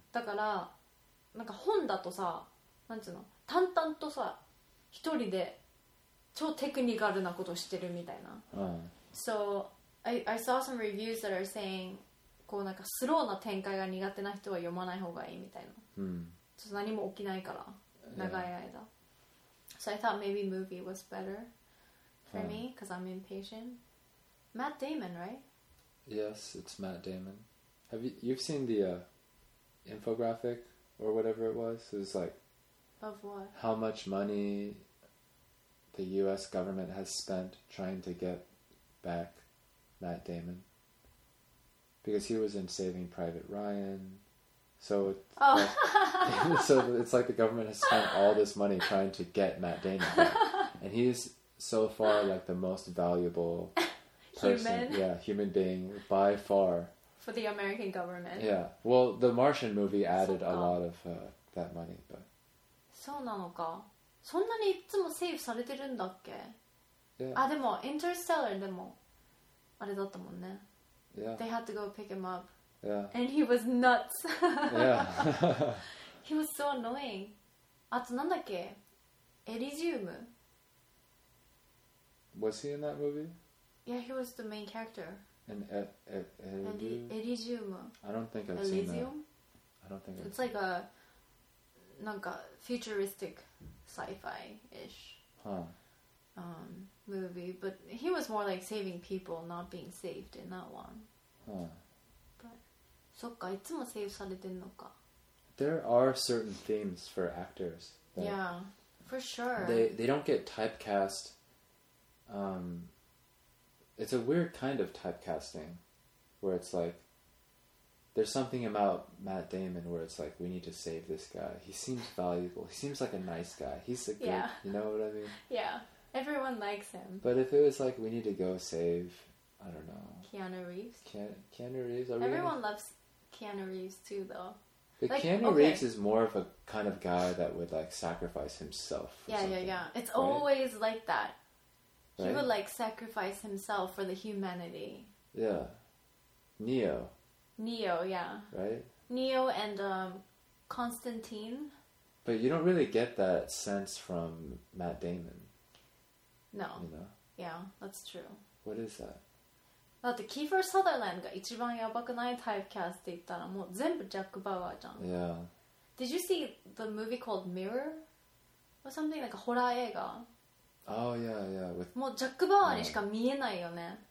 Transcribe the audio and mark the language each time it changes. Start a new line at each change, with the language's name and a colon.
Japanese: だから、なんか本だとさ、なんつうの、淡々とさ、一人で超テクニカルなことしてるみたいな。
English: So I saw some reviews that are saying
Japanese: こうなんかスローな展開が苦手な人は読まない方がいいみたいな。ちょっと何も起きないから長い間。
English: Yeah. So I thought maybe movie was better for me because I'm impatient. Matt Damon, right? Yes, it's Matt Damon. Have you seen the infographic or whatever it was? It was like of what? How much money the U.S. government has spent trying to get back Matt Damon because he was in Saving Private Ryan. So, so it's like the government has spent all this money trying to get Matt Damon back. And he's so far like the most valuable person. Human. Yeah, human being by far. For the American government. Yeah. Well, the Martian movie added a lot of that money. But.
Japanese: そうなのか。そんなにいつもセーブされてるんだっけ、
English: yeah.
Japanese: あ、でも、Interstellar でもあれだったもんね。
English: Yeah. They had to go pick him up. Yeah. And he was nuts. yeah. he was so annoying.
Japanese: あとなんだっけ、エリジウム。
English: Was he in that movie? Yeah, he was the main character. And
Japanese: エリジウム。
English: I don't think I've seen that. I don't think I've seen that. It's like a...
Japanese: なんか
English: futuristic sci-fi-ish、 huh. Movie, but he was more like saving people, not being saved in that one.
Japanese: そっか、いつもセーブされてんのか。
English: There are certain themes for actors. Yeah, for sure. They don't get typecast. It's a weird kind of typecasting, where it's like,There's something about Matt Damon where it's like, we need to save this guy. He seems valuable. He seems like a nice guy. He's a good, yeah. You know what I mean? Yeah. Everyone likes him. But if it was like, we need to go save, I don't know. Keanu Reeves? Keanu Reeves? Everyone loves Keanu Reeves too, though. But like, Keanu Reeves is more of a kind of guy that would like sacrifice himself. Yeah. It's right? always like that. Right? He would like sacrifice himself for the humanity. Yeah. Neo. Neo, yeah. Right? Neo and Constantine. But you don't really get that sense from Matt Damon. No. You know? Yeah, that's true. What is that?
Japanese: だってキーファー・サザーランドが一番やばくないタイプキャスって言ったらもう全部ジャック・バウアーじゃん。
English: Yeah. Did you see the movie called Mirror? Or something like a horror
Japanese: 映画?
English: Oh, yeah. With...
Japanese: もうジャック・バウアーにしか見えないよね。